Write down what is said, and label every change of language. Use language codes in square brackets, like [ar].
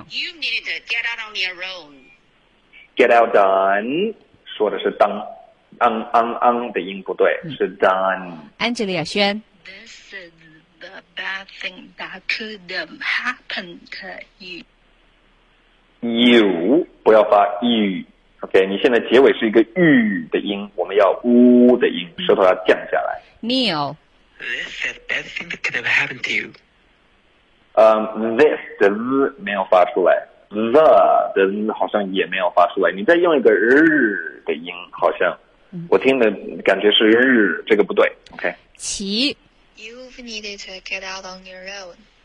[en] You needed to get out on your own. Get out on [zh] 说的是当嗯嗯嗯的音不对，嗯、是 done。 Angelia 轩。 [en] This is the bad thing that could have happened to you. [zh] You 不要发 you。 OK， 你现在结尾是一个 u 的音，我们要 u 的音，舌头要降下来。 Neil。 [en] This is the bad thing that could have happened to you. [zh] This 的 z 没有发出来 ，the 的 z 好像也没有发出来。你再用一个日的音，好像、嗯、我听的感觉是日，这个不对。 OK，齐 [en] ，You've needed to get out on your own.